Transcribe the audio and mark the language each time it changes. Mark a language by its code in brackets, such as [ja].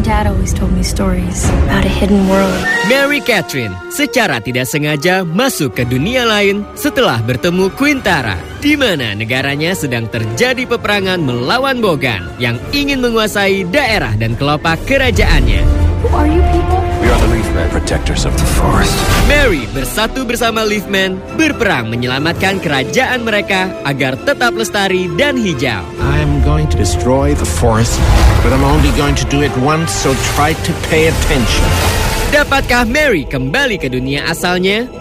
[en] My dad always told me stories about a hidden world. [id] Mary Catherine secara tidak sengaja masuk ke dunia lain setelah bertemu Quintara, di mana negaranya sedang terjadi peperangan melawan Bogan yang ingin menguasai daerah dan kelopak kerajaannya. [en] Who are you people? Protectors of the forest. [id] Mary bersatu bersama Leafman berperang menyelamatkan kerajaan mereka agar tetap lestari dan hijau. [en] I am going to destroy the forest, but I'm only going to do it once, so try to pay attention. [id] Dapatkah Mary kembali ke dunia asalnya?